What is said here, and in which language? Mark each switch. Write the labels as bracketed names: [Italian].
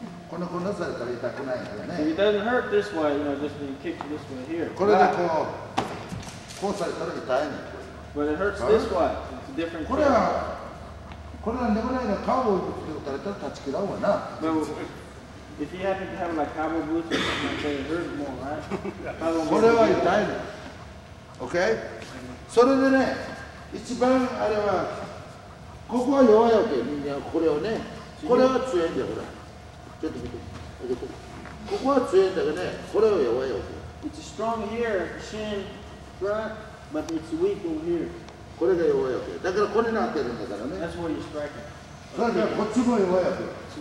[Japanese] このこのされたら痛くないよね。 [English] It doesn't hurt this way, you know, just being kicked this way here. [Japanese] これでこうされたら痛いね。 [English] But it hurts this way. It's a different. [Japanese] これなんでもないな。カーボンブーツで打たれたら断ち切らんわな。 [English] If you happen to have like cowboy boots, it hurts more, right? [Japanese] これは痛いね。 [English] Okay? [Japanese] それでね、一番あれは、ここは弱いわけ、人間はこれをね、これは強いんだよ、ほら。ちょっと見て、ここは強いんだけどね、これは弱いわけ。 [English] It's strong here, shin, front, but it's weak over here. [Japanese] これが弱いわけ。だからこれになってるんだからね。 [English] That's where you're striking. [Japanese] だからこっちも弱いわけ。